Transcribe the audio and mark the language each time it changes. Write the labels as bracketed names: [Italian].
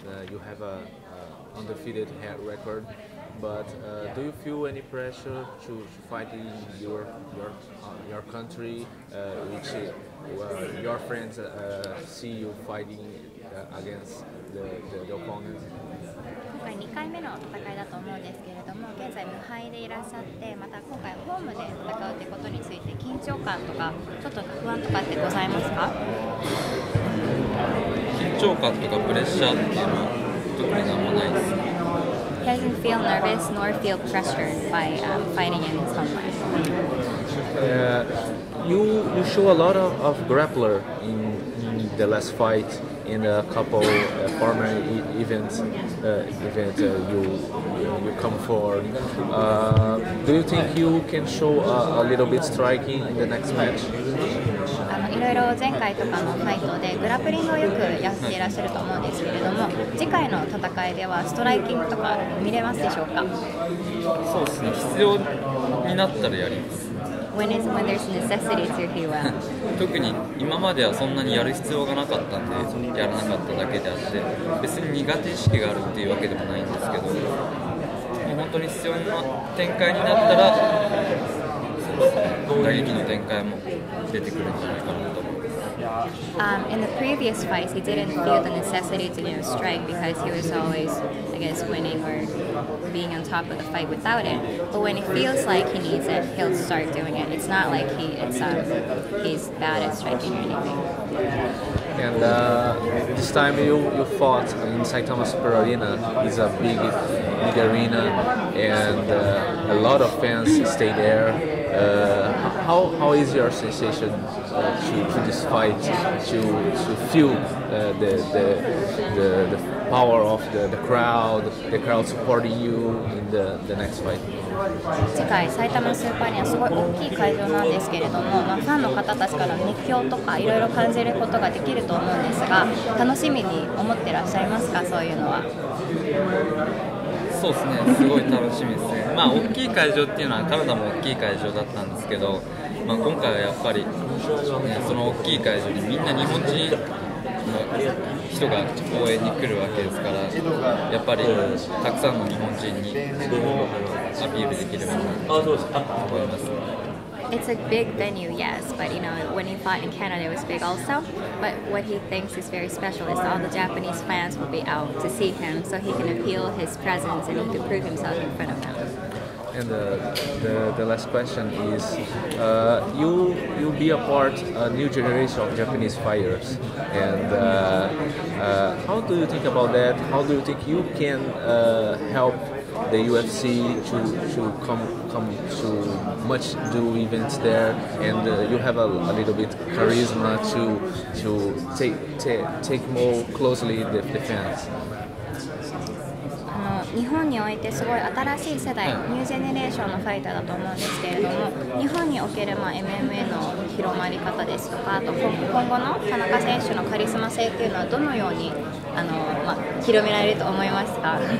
[English] You have a undefeated record, but do you feel any pressure to fight in your country, which your friends see you fighting against the opponents? [Japanese] 今回2回目の戦いだと思うんですけれども、現在無敗でいらっしゃって、また今回ホームで戦うということについて緊張感とかちょっと不安とかってございますか？緊張感とかプレッシャーっていうのは特になんもないです。 [English] He doesn't feel nervous nor feel pressured by fighting in his homeland. You show a lot of grappler in the last fightin a couple former events, you come for. Do you think you can show a little bit striking in the next match? [Japanese] いろいろ前回とかのファイトでグラプリングをよくやっていらっしゃると思うんですけれども、次回の戦いではストライキングとか見れますでしょうか？そうですね、必要になったらやります。 [English] When there's necessity to be well. [Japanese] 特に今まではそんなにやる必要がなかったんで、やらなかっただけであって、別に苦手意識があるっていうわけでもないんですけど、もう本当に必要な展開になったら、打撃の展開も出てくるんじゃないかなと思います。 [English] In the previous fights, he didn't feel the necessity to, you know, strike because he was always, I guess, winning or... being on top of the fight without it, but when it feels like he needs it, he'll start doing it. It's not like he's bad at striking or anything. And this time you fought in Saitama Super Arena. It's a big arena, and a lot of fans stay there. How is your sensation to this fight, to feel the power of the crowd, the crowd supporting you in the next fight? [Japanese] 次回埼玉スーパーアリーナ、すごい大きい会場なんですけれども、まあ、ファンの方たちからの熱狂とかいろいろ感じることができると思うんですが、楽しみに思ってらっしゃいますか、そういうのは？そうですね、すごい楽しみですね。まあ大きい会場っていうのはカナダも大きい会場だったんですけど、まあ、今回はやっぱり、ね、その大きい会場にみんな日本人の人が応援に来るわけですから、やっぱりたくさんの日本人にアピールできればなと思います。 [English] It's a big venue, yes, but you know, when he fought in Canada it was big also, but what he thinks is very special is all the Japanese fans will be out to see him so he can appeal his presence and he can prove himself in front of them. And the last question is, you'll be a part of a new generation of Japanese fighters, andhow do you think about that? How do you think you can help the UFC to come to much do events there? And you have a little bit charisma to take more closely the fans. [Japanese] 日本においてすごい新しい世代、ニュージェネレーションのファイターだと思うんですけれども、日本における、まあ、MMA の広まり方ですとか、あと今後の田中選手のカリスマ性というのはどのようにまあ、広められると思いますか？